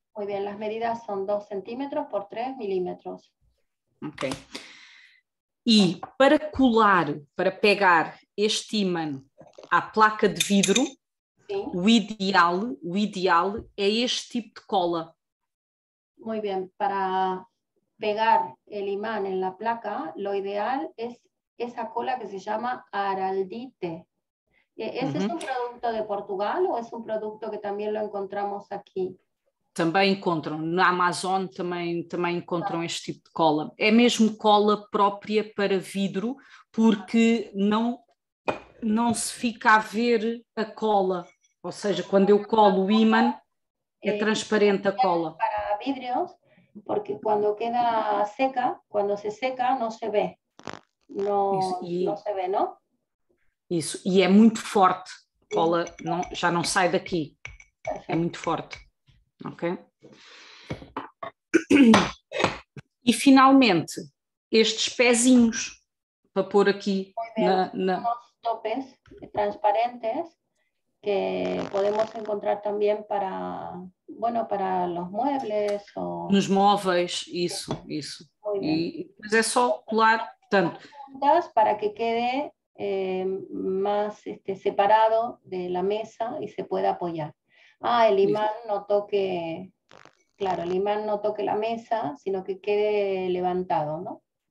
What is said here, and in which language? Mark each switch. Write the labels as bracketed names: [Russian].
[Spanish] Muy bien, las medidas son 2 centímetros por 3 milímetros. Ok. [Portuguese] E para pegar este ímã à placa de vidro, o ideal é este tipo de cola. [Spanish] Muy bien, para pegar el imán en la placa, lo ideal es esa cola que se llama Araldite. ¿Ese es un producto de Portugal o es un producto que también lo encontramos aquí? [Portuguese] Também encontram na Amazon, também encontram este tipo de cola. É mesmo cola própria para vidro, porque não se fica a ver a cola. Ou seja, quando eu colo o ímã, é transparente a cola. [Spanish] Vidrios. Porque cuando queda seca, cuando se seca, no se ve. [Portuguese] Isso. [Spanish] No, E no se ve, ¿no? [Portuguese] É muito forte. [Spanish] Sí. [Portuguese] Cola não, já não sai daqui. É [Spanish] Perfecto. [Portuguese] muito forte. Ok? E finalmente, estes pezinhos para pôr aquui na. [Spanish] Bien, unos topes transparentes que podemos encontrar también para, bueno, para los muebles o. [Portuguese] Nos móveis, isso. [Spanish] Muy bien. [Portuguese] E depois é só colar tanto. [Spanish] Juntas para que quede más separado de la mesa y se pueda apoyar. Ah, el [Portuguese] Isso. [Spanish] imán no toque, claro, el imán no toque la mesa, sino que quede levantado, ¿no?